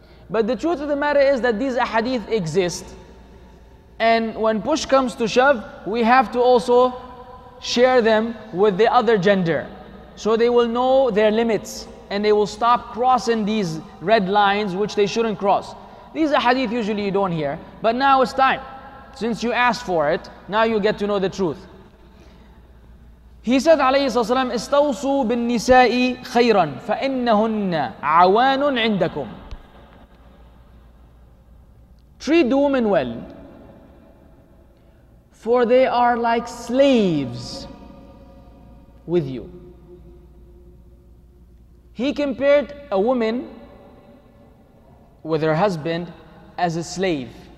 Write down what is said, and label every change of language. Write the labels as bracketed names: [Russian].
[English] But the truth of the matter is that these hadith exist. And when push comes to shove, we have to also share them with the other gender. So they will know their limits and they will stop crossing these red lines which they shouldn't cross. These are hadith usually you don't hear, but now it's time. Since you asked for it, now you get to know the truth. He said, [Arabic] alayhi sallam, استوصوا بالنساء خيرا فإنهن عوان عندكم. [English] Treat the women well, for they are like slaves with you. He compared a woman with her husband as a slave.